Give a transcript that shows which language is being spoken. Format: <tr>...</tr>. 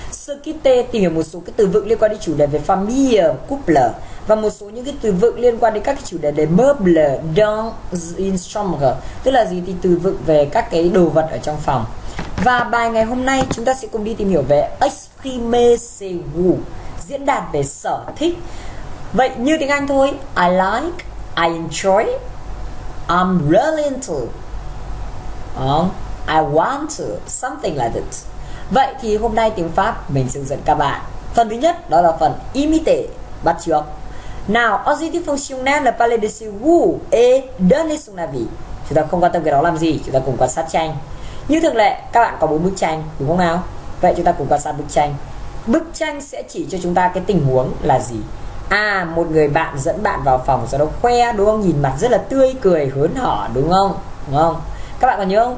<vi>Sơ ký tê tìm hiểu một số cái từ vựng liên quan đến chủ đề về famille, couple và một số những cái từ vựng liên quan đến các cái chủ đề về</vi> <fr>meuble dans une chambre,</fr> <vi>tức là gì, thì từ vựng về các cái đồ vật ở trong phòng. Và bài ngày hôm nay chúng ta sẽ cùng đi tìm hiểu về</vi> <fr>exprimer ses goûts,</fr> <vi>diễn đạt về sở thích. Vậy như tiếng Anh thôi,</vi> <en>I like, I enjoy, I'm really into, I want to, something like that.</en> <vi>Vậy thì hôm nay tiếng Pháp mình sẽ dẫn các bạn phần thứ nhất, đó là phần imiter, bắt chước.</vi> <fr>Nào, adjectif fonctionnel là parler de ses goûts et donner son avis.</fr> <vi>Chúng ta không quan tâm cái đó làm gì, chúng ta cùng quan sát tranh. Như thường lệ, các bạn có 4 bức tranh, đúng không nào? Vậy chúng ta cùng quan sát bức tranh. Bức tranh sẽ chỉ cho chúng ta cái tình huống là gì? À, một người bạn dẫn bạn vào phòng, sau đó khoe, đúng không? Nhìn mặt rất là tươi cười, hớn hở, đúng không? Đúng không? Các bạn còn nhớ không?</vi>